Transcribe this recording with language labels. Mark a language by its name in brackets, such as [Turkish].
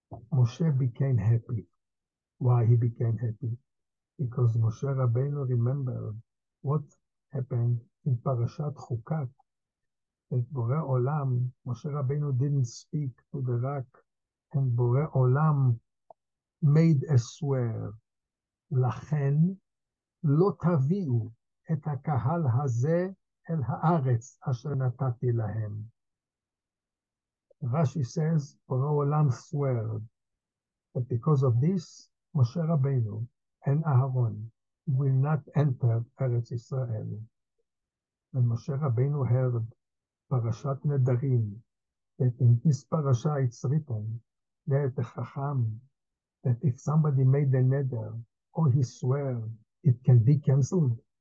[English] Moshe became happy. Why he became happy? Because Moshe Rabbeinu remembered what happened in Parashat Chukat. That Bore Olam, Moshe Rabbeinu didn't speak to the rock, and Bore Olam made a swear. [Hebrew] Lachen, lo taviu את הקהל הזה אל הארץ אשר נתתי להם. [English] Rashi says, Bore Olam swear that because of this, Moshe Rabbeinu and Aharon will not enter Eretz Israel. And Moshe Rabbeinu heard Parashat Nedarim, that in this parasha it's written that the Chacham, that if somebody made a neder or he swear, it can be canceled.